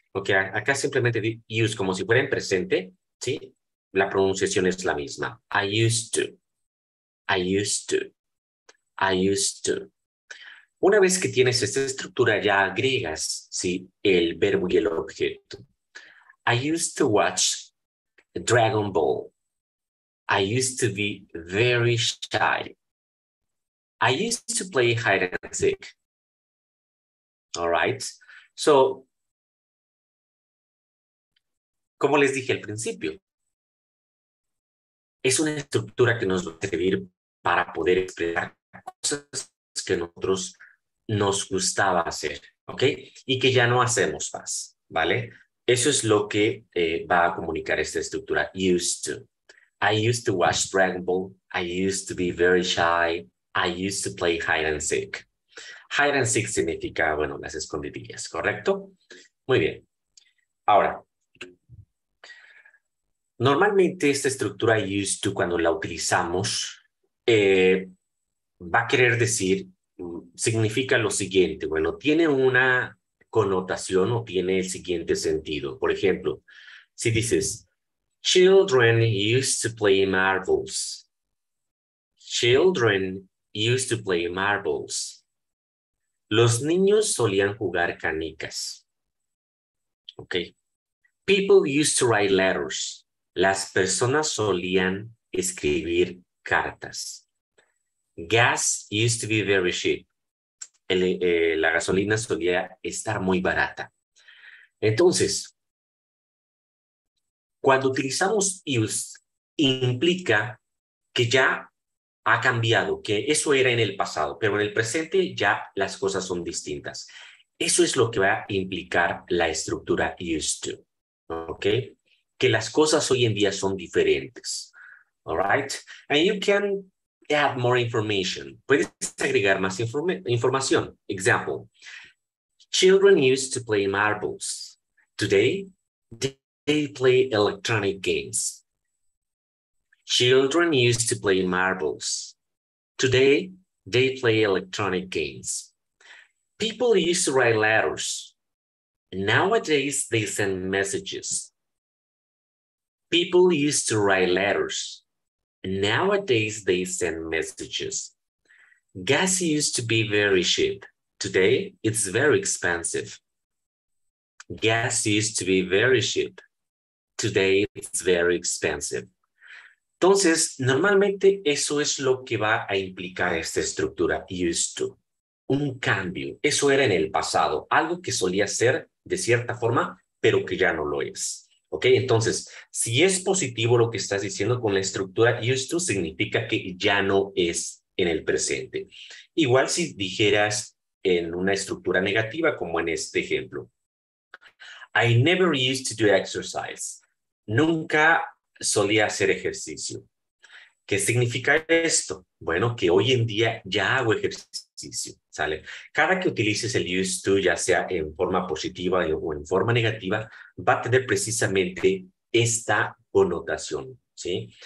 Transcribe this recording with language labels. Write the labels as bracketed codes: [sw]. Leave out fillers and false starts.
[es] Ok, acá simplemente dice use como si fuera en presente, ¿sí? La pronunciación es la misma. [en] I used to. I used to. I used to. [es] Una vez que tienes esta estructura, ya agregas, ¿sí? El verbo y el objeto. [en] I used to watch Dragon Ball. I used to be very shy. I used to play hide and seek. All right. [es] So, como les dije al principio, es una estructura que nos va a servir para poder expresar cosas que nosotros nos gustaba hacer, ¿ok? Y que ya no hacemos más, ¿vale? Eso es lo que va a comunicar esta estructura, used to. [en] I used to watch Dragon Ball. I used to be very shy. I used to play hide and seek. [es] Hide and seek significa, bueno, las escondidillas, ¿correcto? Muy bien. Ahora, normalmente esta estructura used to, cuando la utilizamos, va a querer decir, significa lo siguiente. Bueno, tiene una connotación o tiene el siguiente sentido. Por ejemplo, si dices, [en] children used to play marbles. Children used to play marbles. [es] Los niños solían jugar canicas. [en] Okay. People used to write letters. [es] Las personas solían escribir cartas. [en] Gas used to be very cheap. [es] la gasolina solía estar muy barata. Entonces, cuando utilizamos use, implica que ya ha cambiado, que eso era en el pasado, pero en el presente ya las cosas son distintas. Eso es lo que va a implicar la estructura used to, ¿ok? Que las cosas hoy en día son diferentes. [en] All right? And you can add more information. [es] Puedes agregar más información. [en] Example. Children used to play marbles. Today, they play electronic games. Children used to play marbles. Today, they play electronic games. People used to write letters. Nowadays, they send messages. People used to write letters. Nowadays they send messages. Gas used to be very cheap. Today it's very expensive. Gas used to be very cheap. Today it's very expensive. [es] Entonces, normalmente eso es lo que va a implicar esta estructura used to. Un cambio. Eso era en el pasado. Algo que solía ser de cierta forma, pero que ya no lo es. Okay, entonces, si es positivo lo que estás diciendo con la estructura used to, significa que ya no es en el presente. Igual si dijeras en una estructura negativa, como en este ejemplo. [en] I never used to do exercise. [es] Nunca solía hacer ejercicio. ¿Qué significa esto? Bueno, que hoy en día ya hago ejercicio, ¿sale? Cada que utilices el used to, ya sea en forma positiva o en forma negativa, va a tener precisamente esta connotación, ¿sí?